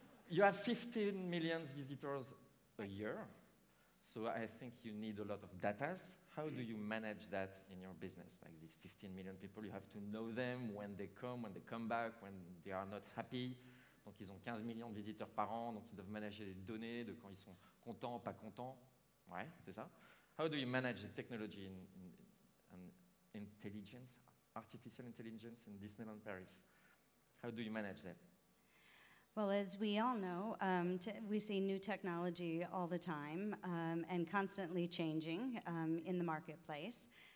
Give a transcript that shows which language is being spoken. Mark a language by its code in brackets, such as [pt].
[en] you have 15 million visitors a year, so I think you need a lot of data. How do you manage that in your business? Like these 15 million people, you have to know them when they come back, when they are not happy. [fr] Donc ils ont 15 millions de visiteurs par an, donc ils doivent manager les données de quand ils sont contents, pas contents. Ouais, c'est ça. [en] How do you manage the technology and intelligence, artificial intelligence in Disneyland Paris? How do you manage that? Well, as we all know, we see new technology all the time and constantly changing in the marketplace.